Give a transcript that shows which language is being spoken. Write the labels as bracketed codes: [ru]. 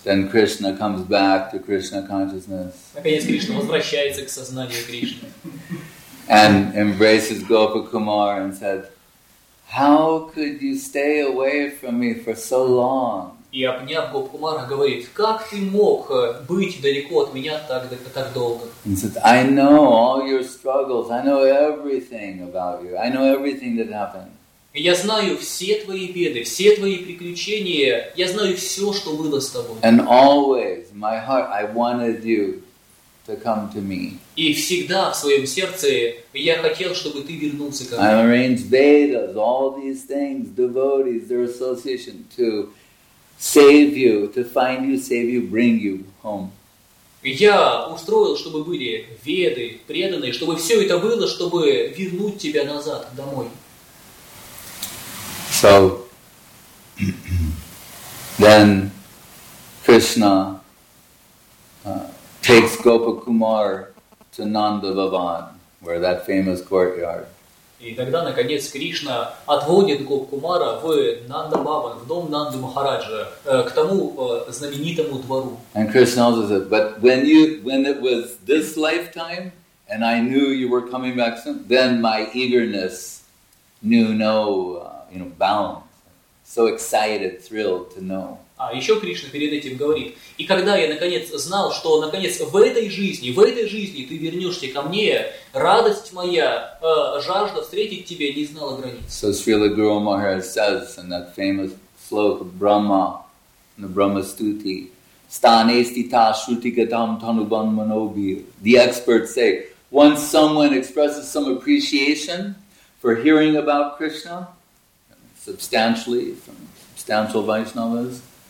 [en] Then Krishna comes back to Krishna consciousness. [ru] Наконец Кришна возвращается к сознанию Кришны. [en] And embraces Gopakumar and said, "How could you stay away from me for so long?" [ru] И обняв Гопакумара, говорит, как ты мог быть далеко от меня так долго? [en] And said, "I know all your struggles. I know everything about you. I know everything that happened." [ru] Я знаю все твои беды, все твои приключения. Я знаю все, что было с тобой. [en] And always, my heart, I wanted you to come to me. [ru] И всегда в своем сердце я хотел, чтобы ты вернулся ко мне. [en] I arranged Vedas, all these things, devotees, their association to save you, to find you, save you, bring you home. [ru] Я устроил, чтобы были веды, преданные, чтобы все это было, чтобы вернуть тебя назад, домой. [en] So then Krishna takes Gopakumar to Nanda Bhavan, where that famous courtyard. [ru] И тогда наконец Кришна отводит Гопакумара в Нанда Бхаван, в дом Нанды Махараджа, к тому знаменитому двору. [en] And Krishna also said, but when it was this lifetime and I knew you were coming back soon, then my eagerness knew no bound, so excited, thrilled to know. [ru] А еще Кришна перед этим говорит, и когда я наконец знал, что наконец в этой жизни ты вернешься ко мне, радость моя, жажда встретить тебя не знала границ. [en] So Srila Guru Maharaj says in that famous slok of Brahma, in the Brahma Stuti, [sa] Stanesti ta shruti gatam tanuban manobi. [en] The experts say, once someone expresses some appreciation for hearing about Krishna, substantially, from substantial Vaishnavas.